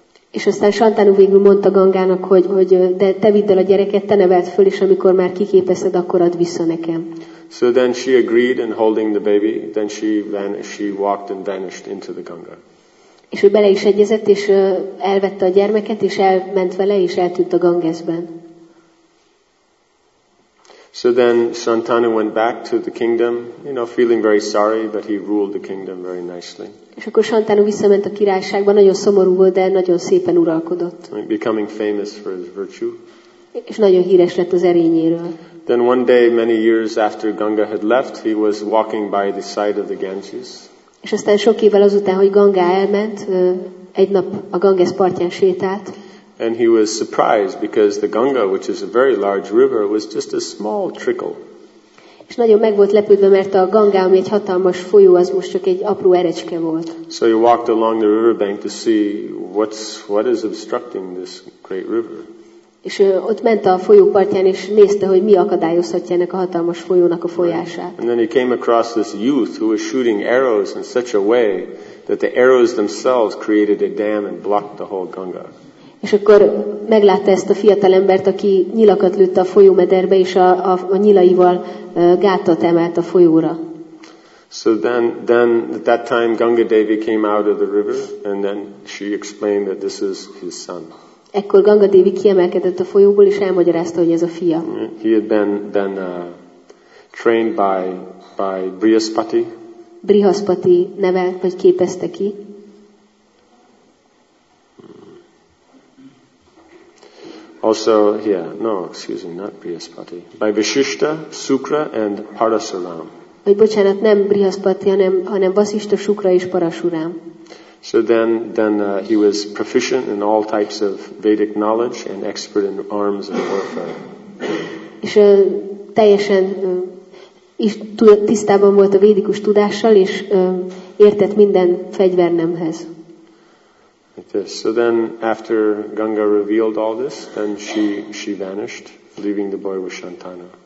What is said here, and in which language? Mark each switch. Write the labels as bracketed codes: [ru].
[hu] És aztán Shantanu végül mondta Gangának, hogy de te vidd el a gyereket, te neveld föl, és amikor már kiképezted, akkor add vissza nekem. [en] So then she agreed and holding the baby, then she walked and vanished into the Ganga. [hu] És ő bele is egyezett, és elvette a gyermeket, és elment vele, és eltűnt a Gangesben. [en] So then Shantanu went back to the kingdom, you know, feeling very sorry, but he ruled the kingdom very nicely. [hu] És akkor Shantanu visszament a királyságba, nagyon szomorú volt, de nagyon szépen uralkodott. [en] Becoming famous for his virtue. [hu] És nagyon híres lett az erényéről. [en] Then one day, many years after Ganga had left, he was walking by the side of the Ganges. [hu] És aztán sok évvel azután, hogy Ganga elment, egy nap a Ganges partján sétált. [en] And he was surprised because the Ganga, which is a very large river, was just a small trickle. [hu] És nagyon meg volt lepődve, mert a Ganga, ami egy hatalmas folyó, az most csak egy apró erecske volt. [en] So he walked along the riverbank to see what is obstructing this great river. [hu] És ott ment a folyópartján, és nézte, hogy mi akadályozhatja ennek a hatalmas folyónak a folyását. [en] And then he came across this youth who was shooting arrows in such a way that the arrows themselves created a dam and blocked the whole Ganga. [hu] És akkor meglátta ezt a fiatalembert, aki nyilakat lőtt a folyómederbe, és a nyilaival gátat emelt a folyóra. [en] So then at that time Ganga Devi came out of the river, and then she explained that this is his son. [hu] Ekkor Ganga Devi kiemelkedett a folyóból, és elmagyarázta, hogy ez a fia. [en] He had been trained by Brihaspati. [hu] Brihaspati nevelt, vagy képezte ki. [en] Also, yeah, no, excuse me, not Brihaspati. By Vasishta, Sukra, and Parasuram. [hu] Vagy bocsánat, nem Brihaspati, hanem Vasishta, Sukra és Parasuram. [en] So then he was proficient in all types of Vedic knowledge and expert in arms and warfare. [hu] És teljesen is tisztában volt a védikus tudással, és értett minden fegyvernemhez. [en] So then after Ganga revealed all this, then she vanished, leaving the boy with Shantana.